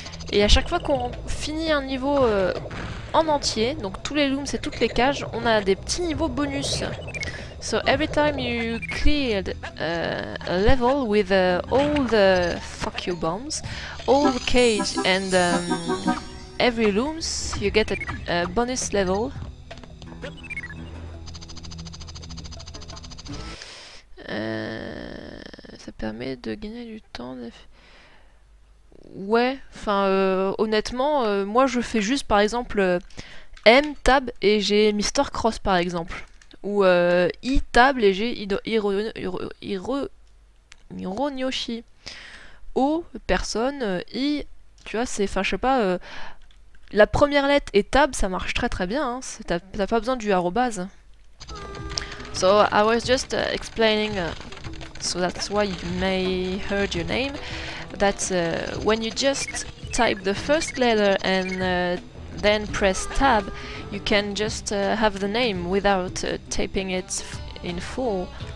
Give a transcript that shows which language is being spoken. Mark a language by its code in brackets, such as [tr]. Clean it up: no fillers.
[fr] Et à chaque fois qu'on finit un niveau en entier, donc tous les looms et toutes les cages, on a des petits niveaux bonus. [en] So every time you cleared a level with all the fuck you bombs, all the cage and every looms, you get a bonus level. [fr] Ça permet de gagner du temps. Ouais, enfin honnêtement, moi je fais juste par exemple M tab et j'ai Mr. Cross par exemple. Ou I tab et j'ai Hironyoshi. O, personne, I, tu vois, c'est, enfin je sais pas, la première lettre et tab, ça marche très très bien, hein, t'as pas besoin du arrobase. [en] So I was just explaining, so that's why you may heard your name. That when you just type the first letter and then press tab, you can just have the name without typing it in full.